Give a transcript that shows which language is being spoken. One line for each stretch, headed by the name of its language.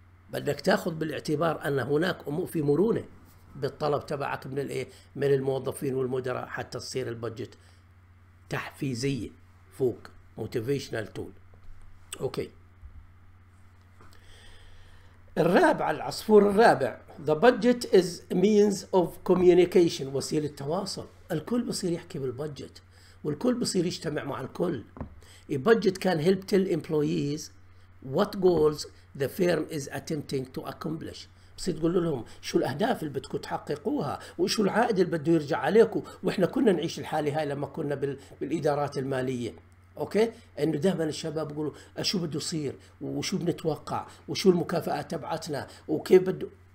Arabic: بدك تاخذ بالاعتبار ان هناك امور في مرونه بالطلب تبعك من الايه؟ من الموظفين والمدراء حتى تصير البادجت تحفيزيه فوق موتيفيشنال تول. اوكي. الرابع، العصفور الرابع،
English: the budget is means of communication،
Arabic: وسيلة تواصل. الكل بصير يحكي بالبادجت، والكل بصير يجتمع مع الكل.
English: A budget can help tell employees what goals the firm is attempting to accomplish.
Arabic: بصير تقول لهم شو الأهداف اللي بدكم تحققوها، وشو العائد اللي بده يرجع عليكم، وإحنا كنا نعيش الحالة هاي لما كنا بالإدارات المالية. اوكي، انه دائما الشباب يقولوا شو بده يصير، وشو بنتوقع، وشو المكافآت تبعتنا، وكيف بده.